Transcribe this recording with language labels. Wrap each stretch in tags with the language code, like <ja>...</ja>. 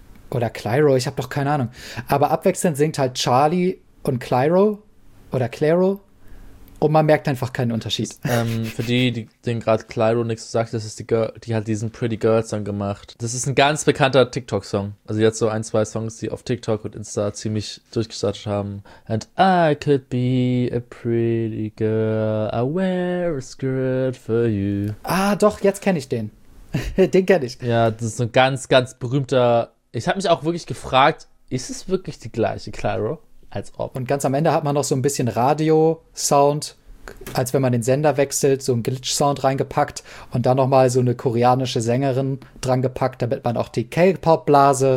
<de>Oder Clairo, ich habe doch keine Ahnung. Aber abwechselnd singt halt Charlie und Clairo oder Clairo und man merkt einfach keinen Unterschied. Für die, denen gerade Clairo nichts sagt, das ist die Girl, die hat diesen Pretty Girl Song gemacht. Das ist ein ganz bekannter TikTok-Song. Also die hat so ein, zwei Songs, die auf TikTok und Insta ziemlich durchgestartet haben.</de> <en>And I could be a pretty girl, I wear a skirt for you.</en> <de>Ah doch, jetzt kenne ich den. Den kenne ich. Ja, das ist ein ganz, ganz berühmter... Ich habe mich auch wirklich gefragt, ist es wirklich die gleiche Clairo? Als ob. Und ganz am Ende hat man noch so ein bisschen Radio-Sound, als wenn man den Sender wechselt, so ein Glitch-Sound reingepackt und dann nochmal so eine koreanische Sängerin drangepackt, damit man auch die K-Pop-Blase</de>